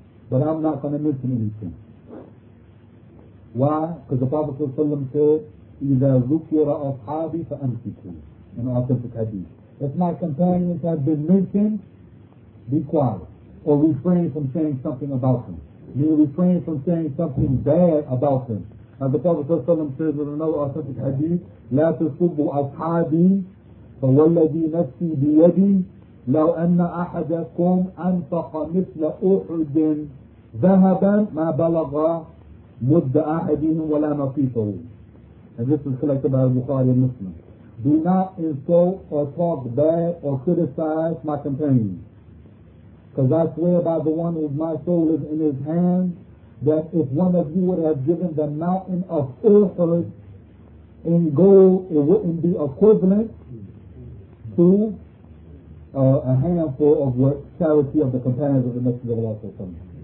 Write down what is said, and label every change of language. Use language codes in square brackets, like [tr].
[en] But I'm not going to mention anything. Why? Because the Prophet said, [ar] إِذَا ذُكِرَ أَصْحَابِ فَأَمْسِكُوا, [en] in authentic hadith. If my companions have been mentioned, be quiet. Or refrain from saying something about them. You refrain from saying something bad about them. And the Prophet said in another authentic hadith, [ar] لَا تَصُبُّ أَصْحَابِ فَوَالَّذِي نَفْسِي بِيَدِي لَوْ أَنَّ أَحَدَكُمْ أَنْفَقَ مِثْلَ أُحُدٍ ذَهَبًا مَا بَلَغَ مُدَّ أَحَدِهِمْ وَلَا نَصِيفَهُ. [en] And this is collected by Bukhari and Muslim. Do not insult or talk bad or criticize my companion. Because I swear by the one whose my soul is in his hand, that if one of you would have given the mountain of Uhud in gold, it wouldn't be equivalent to a handful of what charity of the companions of the Messenger of Allah SWT.